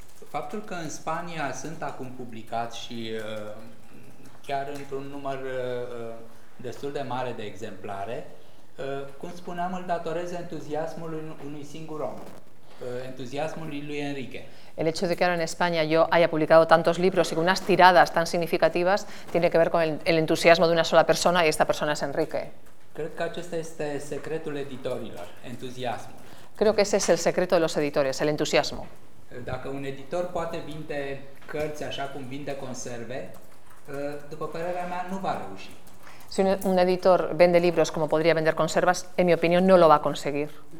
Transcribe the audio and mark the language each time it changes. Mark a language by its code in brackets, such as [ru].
[ro] Faptul că în Spania sunt acum publicat și chiar într-un număr destul de mare de exemplare, cum spuneam, îl datorez entuziasmului unui singur om, entuziasmului lui Enrique. [es] El hecho de que ahora en España yo haya publicado tantos libros y con unas tiradas tan significativas tiene que ver con el entusiasmo de una sola persona, y esta persona es Enrique. [ro] Cred că acesta este secretul editorilor, entuziasmul. [es] Creo que ese es el secreto de los editores, el entusiasmo. [ro] Dacă un editor poate vinde cărți așa cum vinde conserve, după părerea mea nu va reuși. [es] Si un editor vende libros como podría vender conservas, en mi opinión no lo va a conseguir.